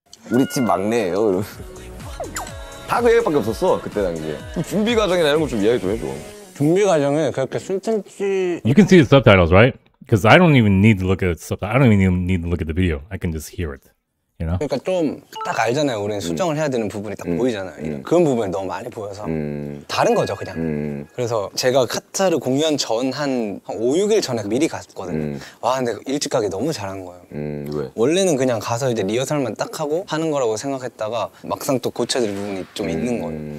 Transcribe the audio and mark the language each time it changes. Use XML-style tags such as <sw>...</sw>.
<ko>우리 팀 막내예요, 여러분. 다 그 얘기밖에 없었어, 그때 당시에. 그 준비 과정이나 이런 거 좀 이야기 좀 해줘. 준비 과정은 그렇게 순천치...</ko> <en>You can see the subtitles, right? Because I don't even need to look at the subtitles. I don't even need to look at the video. I can just hear it, you know?</en> <ko>그러니까 좀 딱 알잖아요. 우리는 수정을 해야 되는 부분이 딱 보이잖아요. 그런 부분이 너무 많이 보여서 다른 거죠, 그냥. 그래서 제가 카타르 공연 전 한 5, 6일 전에 미리 갔거든요. 와, 근데 일찍 가기 너무 잘한 거예요. 왜? 원래는 그냥 가서 이제 리허설만 딱 하고 하는 거라고 생각했다가 막상 또 고쳐야 될 부분이 좀 있는 거예요.</ko>